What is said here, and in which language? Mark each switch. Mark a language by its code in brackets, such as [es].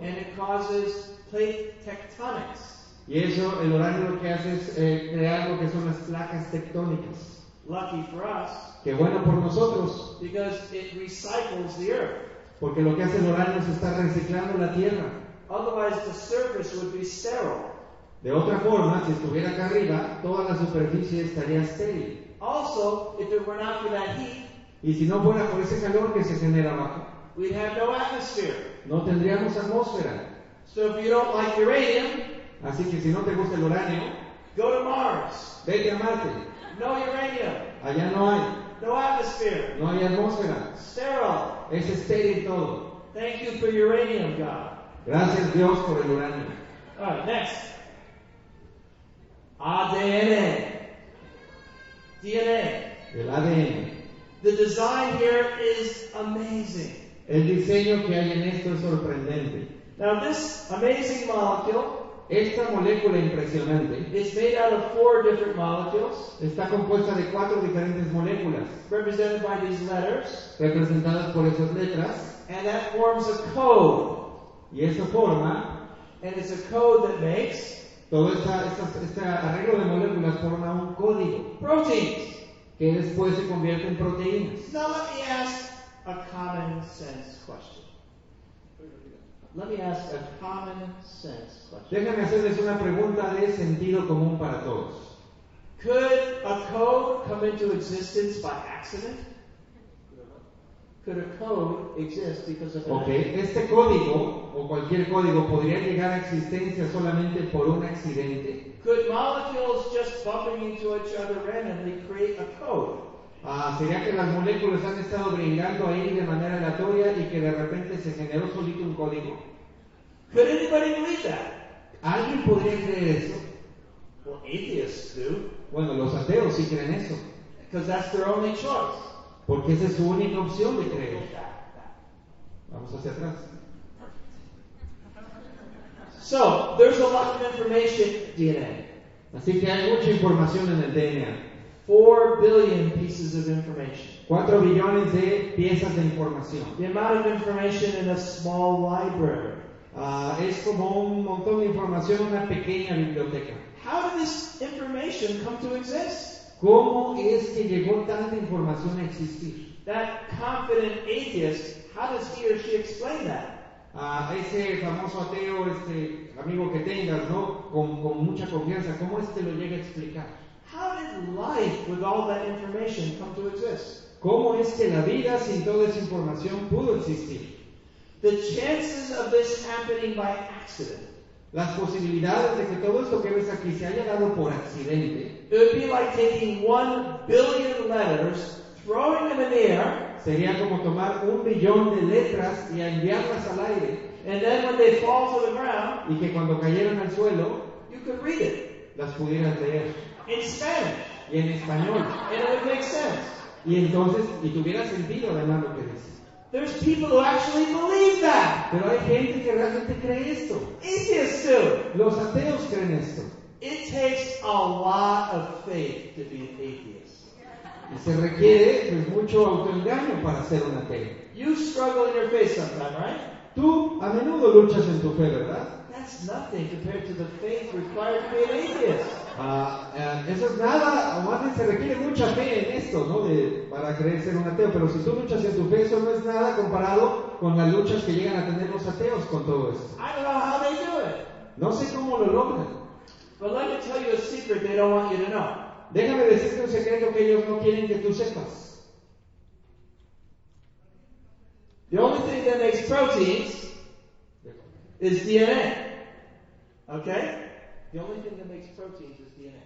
[en] And it causes plate tectonics. [es] Y eso, el uranio lo que hace es crear lo que son las placas tectónicas. [en] Lucky for us. [es] Qué bueno por nosotros. [en] Because it recycles the earth. [es] Porque lo que hace el uranio es estar reciclando la tierra. [en] Otherwise the surface would be sterile. [es] De otra forma, si estuviera acá arriba, toda la superficie estaría estéril. [en] Also, if it were not for that heat, [es] y si no fuera por ese calor que se genera abajo, [en] we'd have no atmosphere. [es] No tendríamos atmósfera. [en] So if you don't like uranium, [es] así que si no te gusta el uranio, [en] go to Mars. [es] Vete a Marte. [en] No uranium. [es] Allá no hay. [en] No atmosphere. [es] No hay atmósfera. [en] Sterile. [es] Es estéril todo. [en] Thank you for uranium, God. [es] Gracias Dios por el uranio. [en] All right, next. ADN. DNA. [es] El ADN. [en] The design here is amazing. [es] El diseño que hay en esto es sorprendente. [en] Now this amazing molecule. [es] Esta molécula impresionante. [en] Is made out of four different molecules. [es] Está compuesta de cuatro diferentes moléculas. [en] Represented by these letters. [es] Representadas por esas letras. [en] And that forms a code. [es] Y esa forma. [en] And it's a code that makes. [es] Todo este arreglo de moléculas forma un código. [en] Proteins. [es] Que después se convierte en proteínas. [en] Now let me ask a common sense question. Let me ask a common sense question. [es] Déjame hacerles una pregunta de sentido común para todos. [en] Could a code come into existence by accident? Could a code exist because of an accident? [es] Okay, este código o cualquier código podría llegar a existencia solamente por un accidente. [en] Could molecules just bumping into each other randomly create a code? [es] ¿Sería que las moléculas han estado brincando ahí de manera aleatoria y que de repente se generó solito un código? [en] Could anybody believe that? [es] ¿Alguien podría creer eso? [en] Well, atheists do. [es] Bueno, los ateos sí creen eso. [en] Because that's their only choice. [es] Porque esa es su única opción de creer. Vamos hacia atrás. [en] So, there's a lot of information in DNA. [es] Así que hay mucha información en el DNA. [en] 4 billion pieces of information. [es] 4 billones de piezas de información. [en] The amount of information in a small library. [es] Es como un montón de información en una pequeña biblioteca. [en] How did this information come to exist? [es] ¿Cómo es que llegó tanta información a existir? [en] That confident atheist, how does he or she explain that? [es] Ese famoso ateo, este amigo que tengas, ¿no? Con mucha confianza, ¿cómo es que lo llega a explicar? [en] How did life with all that information come to exist? [es] ¿Cómo es que la vida sin toda esa información pudo existir? [en] The chances of this happening by accident. [es] Las posibilidades de que todo esto que ves aquí se haya dado por accidente. [en] It would be like taking 1 billion letters, throwing them in the air. [es] Sería como tomar 1 billón de letras y enviarlas al aire. [en] And then when they fall to the ground. [es] Y que cuando cayeran al suelo. [en] You could read it. [es] Las pudieras leer. [en] In Spanish. [es] Y en español. [en] And it would make sense. [es] Y entonces, y tuviera sentido además lo que dice. [en] There's people who actually believe that. [es] Pero hay gente que realmente cree esto. [en] Atheists too. [es] Los ateos creen esto. [en] It takes a lot of faith to be an atheist. [es] Y se requiere pues, mucho autoengaño para ser un ateo. [en] You struggle in your faith sometimes, right? [es] Tú a menudo luchas en tu fe, ¿verdad? [en] That's nothing compared to the faith required to be an atheist. [es] Eso es nada, o más bien se requiere mucha fe en esto, ¿no? Para creer ser un ateo. Pero si tú luchas en tu fe, eso no es nada comparado con las luchas que llegan a tener los ateos con todo esto. [en] I don't know how they do it. [es] No sé cómo lo logran. [en] But let me tell you a secret they don't want you to know. [es] Déjame decirte un secreto que ellos no quieren que tú sepas. [en] The only thing that makes proteins is DNA. Okay? The only thing that makes proteins is DNA.